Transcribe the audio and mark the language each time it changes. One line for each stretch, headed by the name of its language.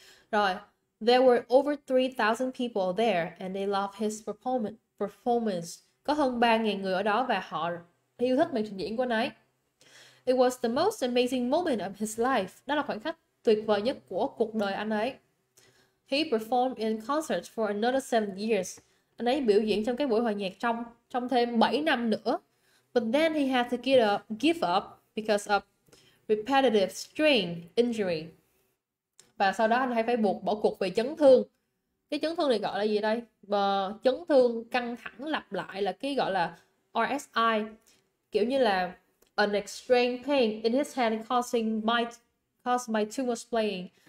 English: Rồi, there were over 3,000 people there and they loved his performance.
Vietnamese: Có hơn 3.000 người ở đó và họ yêu thích màn trình diễn của anh ấy.
English: It was the most amazing moment of his life.
Vietnamese: Đó là khoảnh khắc tuyệt vời nhất của cuộc đời anh ấy.
English: He performed in concert for another 7 years.
Vietnamese: Anh ấy biểu diễn trong cái buổi hòa nhạc trong trong thêm 7 năm nữa.
English: But then he had to give up because of repetitive strain injury.
Vietnamese: Và sau đó anh hay phải buộc bỏ cuộc vì chấn thương. Cái chấn thương này gọi là gì đây? Chấn thương căng thẳng lặp lại, là cái gọi là RSI, kiểu như là
English: extreme pain in his hand caused by too much playing.